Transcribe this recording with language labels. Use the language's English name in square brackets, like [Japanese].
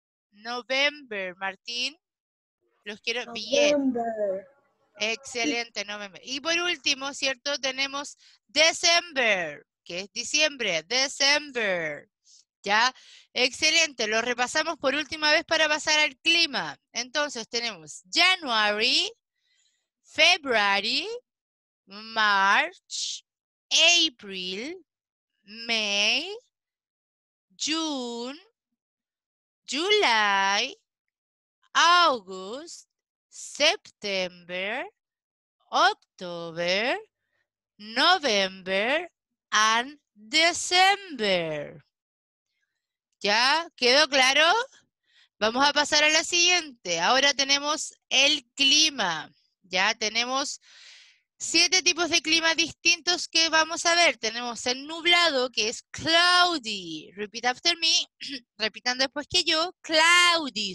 [Spanish] November, Martín. Los quiero [English] November. [Spanish] Bien. Excelente, November. Y por último, ¿cierto? Tenemos December, que es diciembre, December. ¿Ya? Excelente. Lo repasamos por última vez para pasar al clima. Entonces tenemos [English] January, February, March, April, May, June, July, August, September, October, November, and December. [Spanish] ¿Ya? ¿Quedó claro? Vamos a pasar a la siguiente. Ahora tenemos el clima. Ya tenemos 7 tipos de clima distintos que vamos a ver. Tenemos el nublado, que es cloudy. [English] Repeat after me. [Spanish] Repitan después que yo. [English] Cloudy.